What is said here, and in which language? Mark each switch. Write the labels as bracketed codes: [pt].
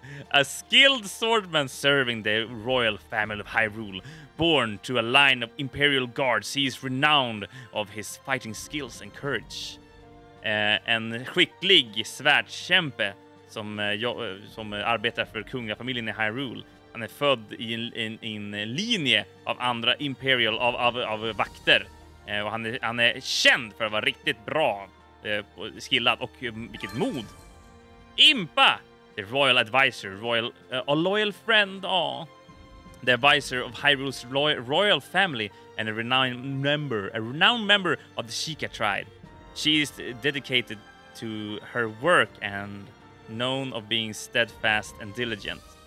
[en] A skilled swordsman serving the royal family of Hyrule. Born to a line of imperial guards, he is renowned of his fighting skills and courage. [sv] En skicklig svärdskämpe som arbetar för kungafamiljen i Hyrule. Han är född i en linje av andra imperial av vakter. Och han är känd för att vara riktigt bra skillad och vilket mod. [en] Impa, the royal advisor, a loyal friend, the advisor of Hyrule's royal family and a renowned member of the Sheikah tribe. She is dedicated to her work and known of being steadfast and diligent.